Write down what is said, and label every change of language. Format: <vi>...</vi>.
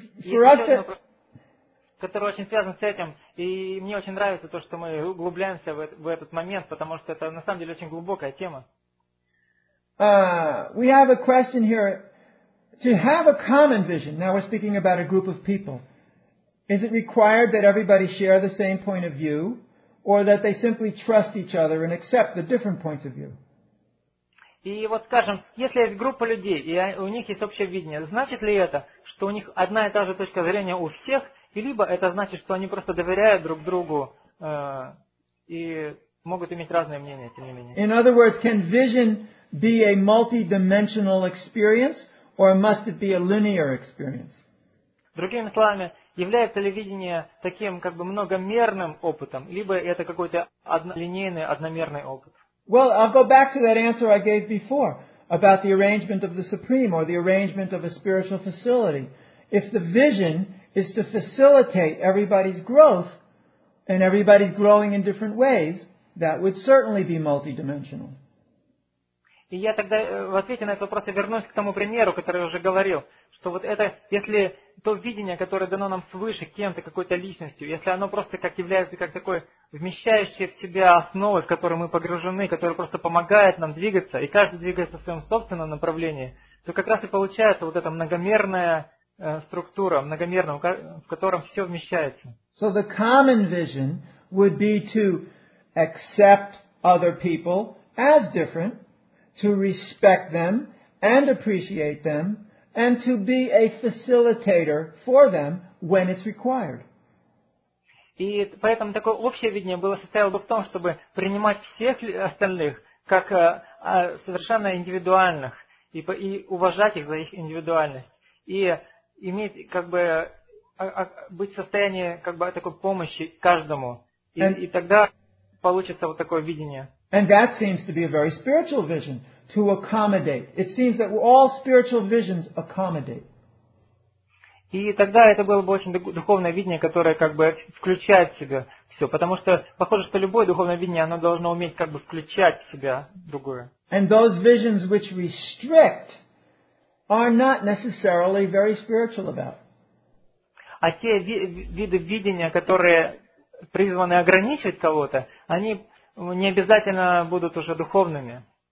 <en>For us to...</en> <ru>который очень связан с этим, и мне очень нравится то, что мы углубляемся в этот момент, потому что это на самом деле очень глубокая тема.</ru> <en>We have a question here. To have a common vision, now we're speaking about a group of people, is it required that everybody share the same point of view, or that they simply trust each other and accept the different points of view?</en> <ru>И вот скажем, если есть группа людей, и у них есть общее видение, значит ли это, что у них одна и та же точка зрения у всех, и либо это значит, что они просто доверяют друг другу и могут иметь разные мнения, тем не менее.</ru> <en>In other words, can vision be a multi-dimensional experience, or must it be a linear experience?</en> <ru>Другими словами, является ли видение таким как бы многомерным опытом, либо это какой-то линейный, одномерный опыт?</ru> <en>Well, I'll go back to that answer I gave before about the arrangement of the Supreme or the arrangement of a spiritual facility. If the vision is to facilitate everybody's growth and everybody's growing in different ways, that would certainly be multidimensional.</en> <ru>И я тогда в ответе на этот вопрос я вернусь к тому примеру, который я уже говорил, что вот это, если то видение, которое дано нам свыше кем-то, какой-то личностью, если оно просто как является как такой вмещающей в себя основой, в которой мы погружены, которая просто помогает нам двигаться, и каждый двигается в своем собственном направлении, то как раз и получается вот эта многомерная структура, многомерная, в котором все вмещается.</ru> <en>So the common vision would be to accept other people as different, to respect them and appreciate them and to be a facilitator for them when it's required.</en> <ru>И поэтому такое общее видение было состояло бы в том, чтобы принимать всех остальных как совершенно индивидуальных и уважать их за их индивидуальность и иметь как бы быть в состоянии как бы такой помощи каждому и тогда получится вот такое видение.</ru> <en>And that seems to be a very spiritual vision to accommodate. It seems that all spiritual visions accommodate.</en> <ru>И тогда это было бы очень духовное видение, которое как бы включает в себя все. Потому что похоже, что любое духовное видение, оно должно уметь как бы включать в себя другое.</ru> <en>And those visions which restrict are not necessarily very spiritual about.</en> <ru>А те виды видения, которые призваны ограничивать кого-то, они не обязательно будут уже духовными.</ru>